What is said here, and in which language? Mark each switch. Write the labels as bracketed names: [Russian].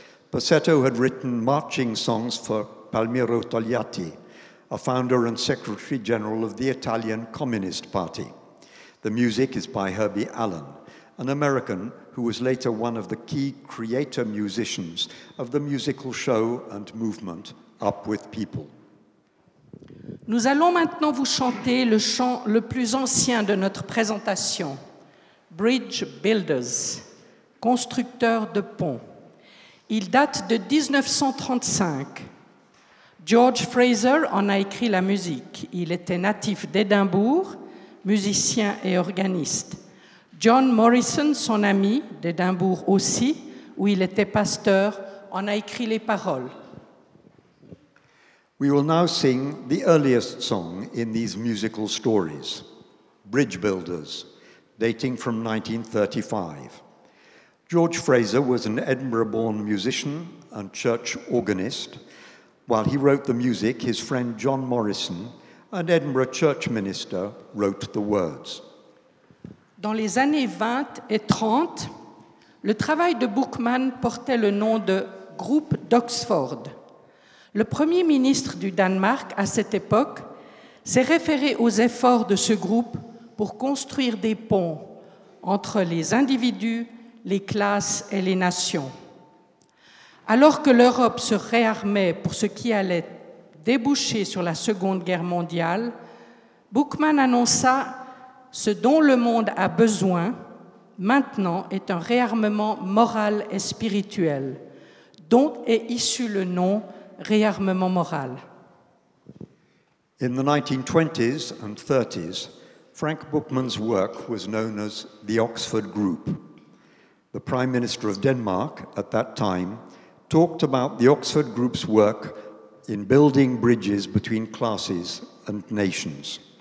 [English] Pazzetto had written marching songs for Palmiro Togliatti, a founder and secretary general of the Italian Communist Party. The music is by Herbie Allen, an American who was later one of the key creator musicians of the musical show and movement Up with People. [French] Nous allons maintenant vous chanter le chant le plus ancien de notre présentation, Bridge Builders, constructeurs de ponts. Il date de 1935. George Fraser en a écrit la musique. Il était natif d'Édimbourg, musicien et organiste. John Morrison, son ami, d'Édimbourg aussi, où il était pasteur, en a écrit les paroles. [English] We will now sing the earliest song in these musical stories, Bridge Builders, dating from 1935. George Fraser was an Edinburgh-born musician and church organist. While he wrote the music, his friend John Morrison, an Edinburgh church minister, wrote the words. [French] Dans les années 20 et 30, le travail de Buchmann portait le nom de Groupe d'Oxford. Le premier ministre du Danemark, à cette époque, s'est référé aux efforts de ce groupe pour construire des ponts entre les individus, les classes et les nations. Alors que l'Europe se réarmait pour ce qui allait déboucher sur la Seconde Guerre mondiale, Buchmann annonça ce dont le monde a besoin maintenant est un réarmement moral et spirituel, dont est issu le nom réarmement moral. [English] In the 1920s and 30s, Frank Buchmann's work was known as the Oxford Group. The Prime Minister of Denmark at that time talked about the Oxford Group's work in building bridges between classes and nations.